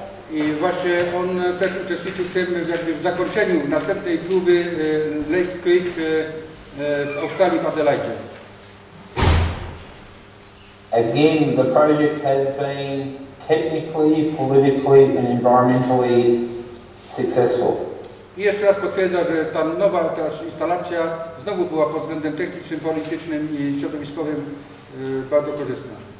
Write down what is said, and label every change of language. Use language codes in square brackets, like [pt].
[pl] I właśnie on też uczestniczył w tym, jakby w zakończeniu następnej próby Lake Creek w Australii, w Adelaide. [en] Again, the project has been technically, politically and environmentally successful. [pl] I jeszcze raz potwierdza, że ta nowa ta instalacja znowu była pod względem technicznym, politycznym i środowiskowym bardzo korzystna.